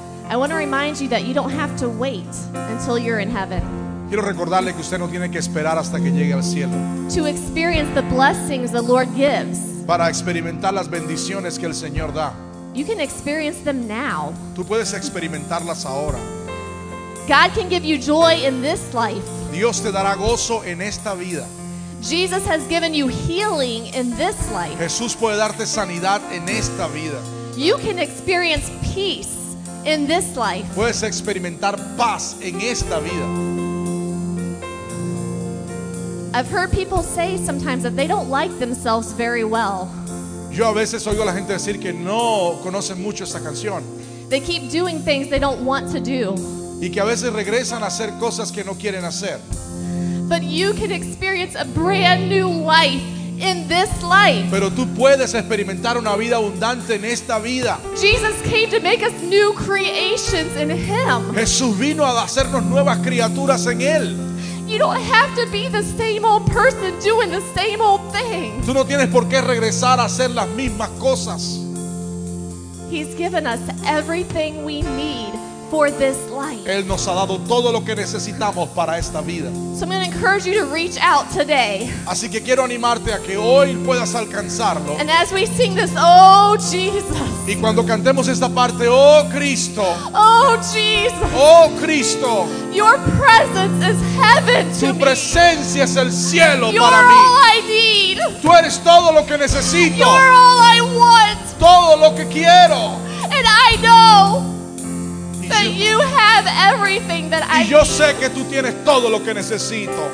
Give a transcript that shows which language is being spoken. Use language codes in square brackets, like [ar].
[en] I want to remind you that you don't have to wait until you're in heaven. [es] Quiero recordarle que usted no tiene que esperar hasta que llegue al cielo. [en] To experience the blessings the Lord gives. [es] Para experimentar las bendiciones que el Señor da. [en] You can experience them now. [es] Tú puedes experimentarlas ahora. [en] God can give you joy in this life. [es] Dios te dará gozo en esta vida. [en] Jesus has given you healing in this life. [es] Jesús puede darte sanidad en esta vida. [en] You can experience peace in this life. [es] Puedes experimentar paz en esta vida. [en] I've heard people say sometimes that they don't like themselves very well. [es] Yo a veces oigo a la gente decir que no conocen mucho esta canción. [en] They keep doing things they don't want to do. [es] Y que a veces regresan a hacer cosas que no quieren hacer. [en] But you can experience a brand new life in this life. [es] Pero tú puedes experimentar una vida abundante en esta vida. [en] Jesus came to make us new creations in Him. [es] Jesús vino a hacernos nuevas criaturas en Él. [en] You don't have to be the same old person doing the same old thing. [es] Tú no tienes por qué regresar a hacer las mismas cosas. [en] He's given us everything we need for this life. [es] Él nos ha dado todo lo que necesitamos para esta vida. [en] So I'm going to encourage you to reach out today. [es] Así que quiero animarte a que hoy puedas alcanzarlo. [en] And as we sing this, oh Jesus. [es] Y cuando cantemos esta parte, oh Cristo. [en] Oh Jesus. [es] Oh Cristo. [en] Your presence is heaven to me. [es] Tu presencia es el cielo para mí. [en] You're all I need. [es] Tú eres todo lo que necesito. [en] You're all I want. [es] todo lo que quiero. [en] And I know that you have everything that I need. [es] Y yo sé que tú tienes todo lo que necesito.